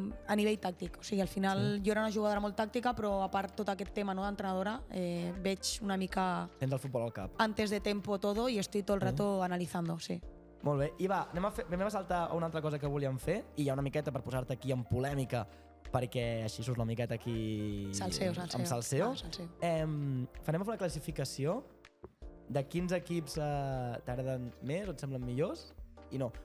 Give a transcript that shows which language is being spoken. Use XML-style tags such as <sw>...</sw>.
<ca>A nivell tàctic, o sigui, al final jo era una jugadora molt tàctica, però a part tot aquest tema d'entrenadora, veig una mica... Tens el futbol al cap.</ca> <es>Antes de tempo todo y estoy todo el rato analizando, sí.</es> <ca>Molt bé. I va, anem a saltar a una altra cosa que volíem fer, i hi ha una miqueta per posar-te aquí en polèmica, perquè així surts una miqueta aquí... Salseo. Farem una classificació de quins equips t'agraden més o et semblen millors i no.</ca>